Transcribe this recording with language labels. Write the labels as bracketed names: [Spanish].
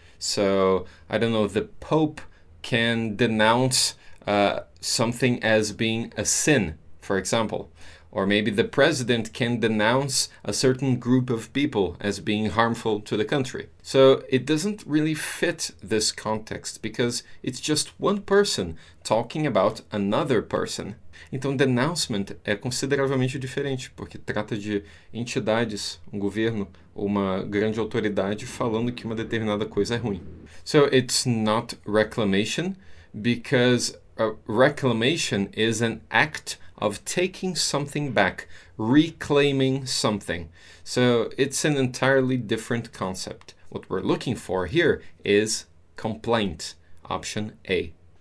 [English] So, I don't know, the Pope can denounce something as being a sin, for example. Or maybe the president can denounce a certain group of people as being harmful to the country. So, it doesn't really fit this context, because it's just one person talking about another person. [Portuguese] Então, denouncement é consideravelmente diferente, porque trata de entidades, um governo, uma grande autoridade falando que uma determinada coisa é ruim. [English] So, it's not reclamation, because a reclamation is an act of taking something back, reclaiming something. So, it's an entirely different concept. What we're looking for here is complaint, option A.